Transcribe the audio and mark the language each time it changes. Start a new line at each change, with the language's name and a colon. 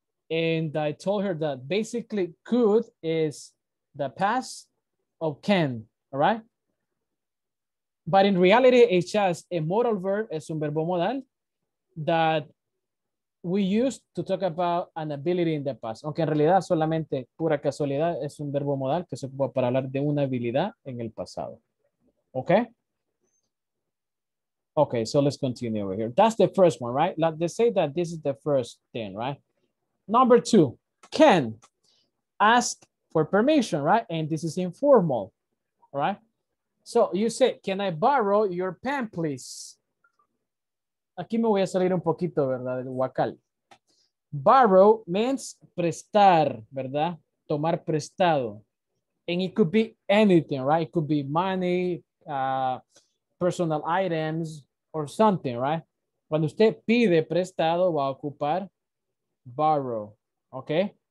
English: And I told her that basically could is the past of can, all right? But in reality, it's just a modal verb,
Spanish: es un verbo modal,
English: that we use to talk about an ability in the past.
Spanish: Aunque en realidad solamente, pura casualidad, es un verbo modal que se ocupa para hablar de una habilidad en el pasado.
English: Okay? Okay, so let's continue over here. That's the first one, right? Like they say that this is the first thing, right? Number two, can ask for permission, right? And this is informal, all right? So you say, can I borrow your pen, please?
Spanish: Aquí me voy a salir un poquito, ¿verdad? Del huacal.
English: Borrow means
Spanish: prestar, ¿verdad? Tomar prestado.
English: And it could be anything, right? It could be money, personal items, or something, right?
Spanish: Cuando usted pide prestado, va a ocupar borrow, ¿ok?